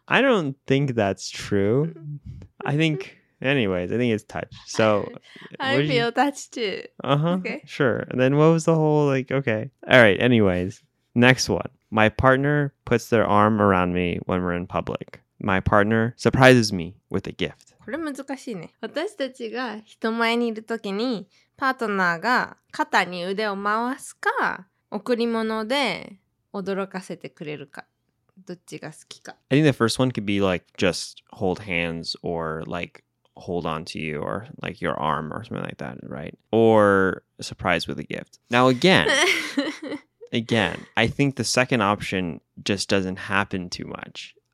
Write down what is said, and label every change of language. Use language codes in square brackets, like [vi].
[en] I don't think that's true. I think, anyways, I think it's touch. So I feel touch too. Uh-huh, okay. Sure. And then what was the whole, like, okay. All right, anyways, next one. My partner puts their arm around me when we're in public. My partner surprises me with a gift. [ja] これ難しいね。私たちが人前にいるときに、パートナーが肩に腕を回すか、贈り物で驚かせてくれるか、どっちが好きか。 [en] I think the first one could be like just hold hands or like hold on to you or like your arm or something like that, right? Or surprise with a gift. Now again, again, I think the second option just doesn't happen too much.